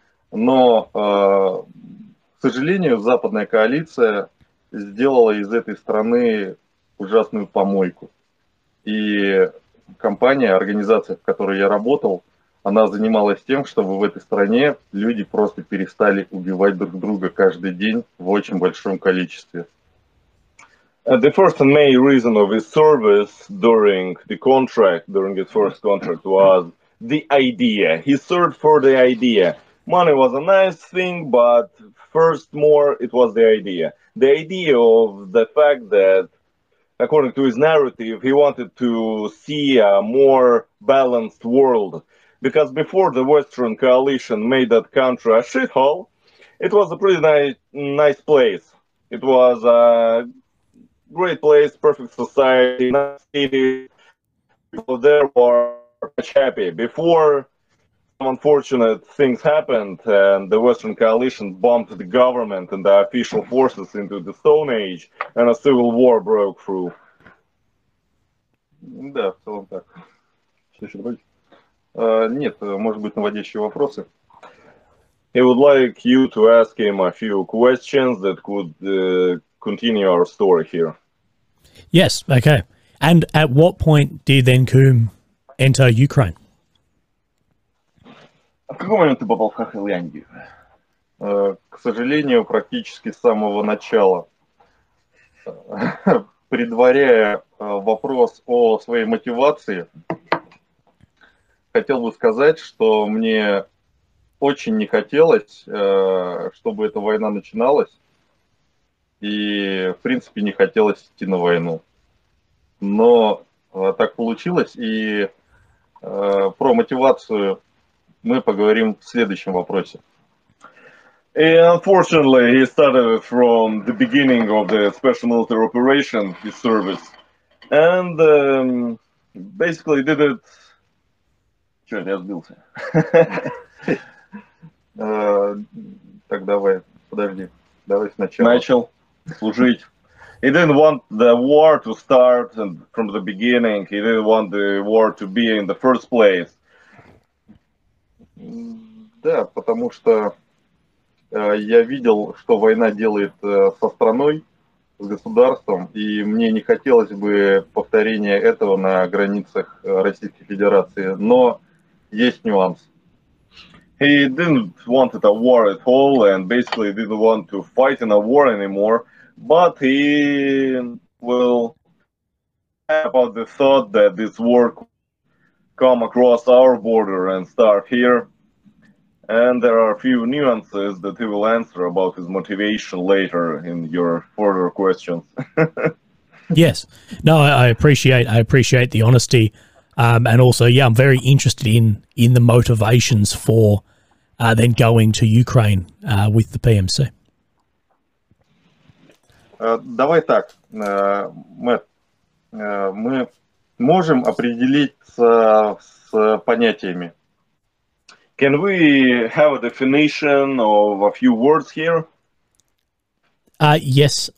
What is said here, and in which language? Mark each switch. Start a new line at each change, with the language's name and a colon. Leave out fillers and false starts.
Russian: Но, к сожалению, западная коалиция сделала из этой страны ужасную помойку. И компания, организация, в которой я работал, она занималась тем, чтобы в этой стране люди просто перестали убивать друг друга каждый день в очень большом количестве.
English: The first and main reason of his service during the contract, during his first contract, was the idea. He served for the idea. Money was a nice thing, but first more it was the idea. The idea of the fact that, according to his narrative, he wanted to see a more balanced world. Because before the Western coalition made that country a shithole, it was a pretty nice place. It was a great place, perfect society, nice city. People there were much happy. Before some unfortunate things happened and the Western coalition bombed the government and the official forces into the Stone Age and a civil war broke through.
Russian: Да, в целом так. Что еще добавить? Нет, может быть, наводящие вопросы.
English: He would like you to ask him a few questions that could continue our story here. Yes, okay. And at what point did then Coombe enter Ukraine?
Russian: В какой момент ты попал в Хохолянгию? К сожалению, практически с самого начала. Предваряя вопрос о своей мотивации, хотел бы сказать, что мне очень не хотелось, чтобы эта война начиналась. И, в принципе, не хотелось идти на войну. Но так получилось, и про мотивацию мы поговорим в следующем вопросе.
English: And unfortunately, he started from the beginning of the special military operation, his service. And basically did it...
Russian: Черт, я сбился. Так, давай, подожди. Давай сначала. Начал служить.
English: He didn't want the war to start from the beginning. He didn't want the war to be in the first place.
Russian: Да, потому что я видел, что война делает со страной, с государством, и мне не хотелось бы повторения этого на границах Российской Федерации. Но есть нюанс.
English: He didn't want a war at all and basically didn't want to fight in a war anymore. But he will have about the thought that this war come across our border and start here. And there are a few nuances that he will answer about his motivation later in your further questions. Yes. No, I appreciate the honesty. And also, yeah, I'm very interested in the motivations for then going to Ukraine with the PMC.
Russian: Давай так, Мэтт, мы можем определиться с понятиями.
English: Can we have a definition of a few words here? Yes.